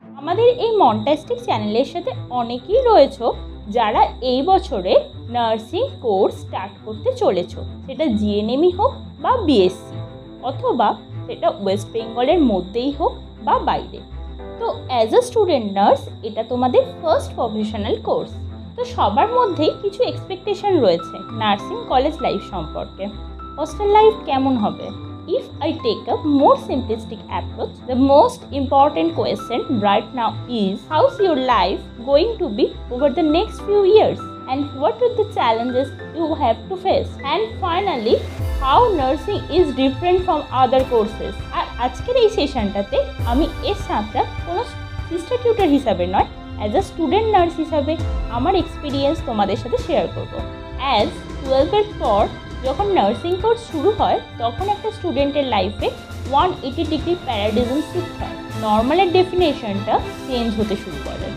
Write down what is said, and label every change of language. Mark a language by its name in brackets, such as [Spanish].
[Bangla] আমাদের এই মন্টাস্টিক চ্যানেলের সাথে অনেকেই রয়েছে যারা এই বছরে নার্সিং কোর্স স্টার্ট করতে চলেছে, সেটা জিএনএমই হোক বা বিএসসি অথবা সেটা ওয়েস্ট বেঙ্গলের মধ্যেই হোক বা বাইরে। তো [English] as a student nurse [Bangla] এটা তোমাদের ফার্স্ট প্রফেশনাল কোর্স, তো সবার মধ্যেই কিছু এক্সপেকটেশন রয়েছে নার্সিং কলেজ লাইফ সম্পর্কে। হোস্টেল লাইফ কেমন হবে? [English] If I take a more simplistic approach, the most important question right now is, how's your life going to be over the next few years? And what are the challenges you have to face? And finally, how nursing is different from other courses? [Bangla] আর আজকের এই সেশনটাতে আমি এর সাথে কোনো sister tutor হিসাবে নয়, [English] as a student nurse [Bangla] হিসাবে আমার এক্সপিরিয়েন্স তোমাদের সাথে শেয়ার করব। অ্যাজ 12-এর পর যখন নার্সিং কোর্স শুরু হয় তখন একটা স্টুডেন্টের লাইফে 180 ডিগ্রি প্যারাডিজম শিফট হয়, নর্মালের ডেফিনেশনটা চেঞ্জ হতে শুরু করে।